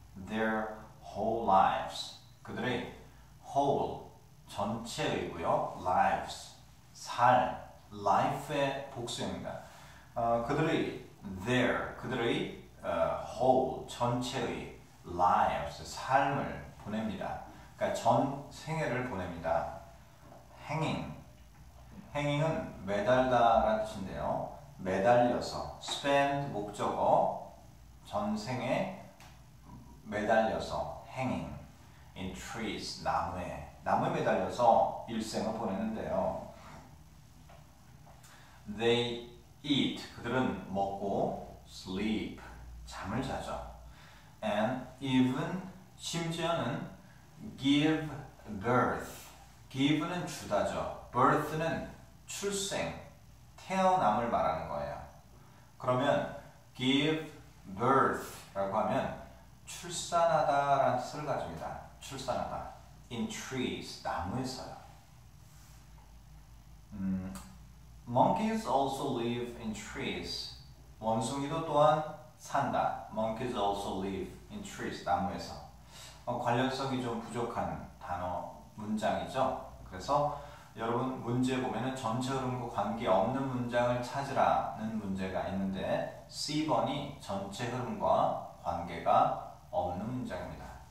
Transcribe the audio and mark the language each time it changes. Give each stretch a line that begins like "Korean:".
English: Their whole lives, 그들의 whole,
Korean: 전체이고요. lives, 삶, life의 복수형입니다. 그들의, their, 그들의 whole, 전체의 lives, 삶을 보냅니다. 그러니까 전 생애를 보냅니다.
English: hanging.
Korean: 행인은 매달다라는 뜻인데요. 매달려서, spend 목적어, 전생에 매달려서,
English: hanging in trees,
Korean: 나무에 매달려서 일생을 보내는데요.
English: They eat,
Korean: 그들은 먹고, sleep, 잠을 자죠.
English: And even,
Korean: 심지어는
English: give birth,
Korean: give는 주다죠. birth는 출생, 태어남을 말하는 거예요. 그러면 give birth라고 하면 출산하다라는 뜻을 가집니다. 출산하다.
English: In trees,
Korean: 나무에서요.
English: Monkeys also live in trees.
Korean: 원숭이도 또한 산다.
English: Monkeys also live in trees,
Korean: 나무에서. 관련성이 좀 부족한 단어 문장이죠. 그래서 여러분, 문제 보면은 전체 흐름과 관계없는 문장을 찾으라는 문제가 있는데, C번이 전체 흐름과 관계가 없는 문장입니다.